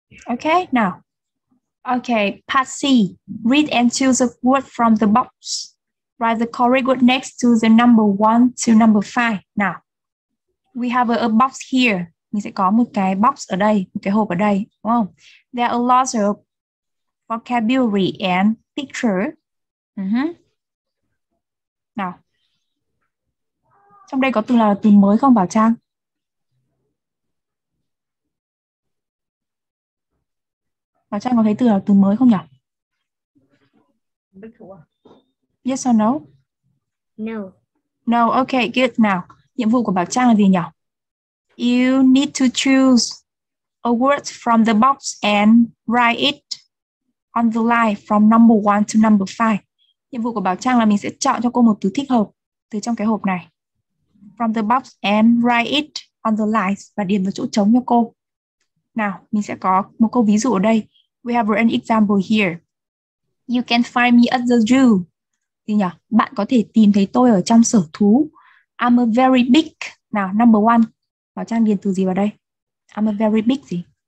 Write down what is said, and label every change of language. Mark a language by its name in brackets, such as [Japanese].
[English] Okay, now. Okay, part C. Read and choose a word from the box. Write the correct word next to the number 1 to number 5. Now, we have a box here. [Vietnamese] Mình sẽ có một cái box ở đây, một cái hộp ở đây. Wow. [English] There are lots of vocabulary and picture. [Vietnamese] Mm-hmm. Now, trong đây có từ nào là từ mới không, Bảo Trang? Bảo Trang có thấy từ nào từ mới không nhỉ? [English] Yes or no? No. No, okay, good. [Vietnamese] Now, nhiệm vụ của Bảo Trang là gì nhỉ? [English] You need to choose a word from the box and write it on the line from number 1 to number 5. [Vietnamese] Nhiệm vụ của Bảo Trang là mình sẽ chọn cho cô một từ thích hợp từ trong cái hộp này. [English] From the box and write it on the lines [Vietnamese] và điền vào chỗ trống cho cô. Nào, mình sẽ có một câu ví dụ ở đây. [English] We have an example here. You can find me at the zoo. [Vietnamese] Thì nhỉ? Bạn có thể tìm thấy tôi ở trong sở thú. [English] I'm a very big. [Vietnamese] Nào, [English] number one. [Vietnamese] Bảo Trang điền từ gì vào đây? [English] I'm a very big [Vietnamese] gì?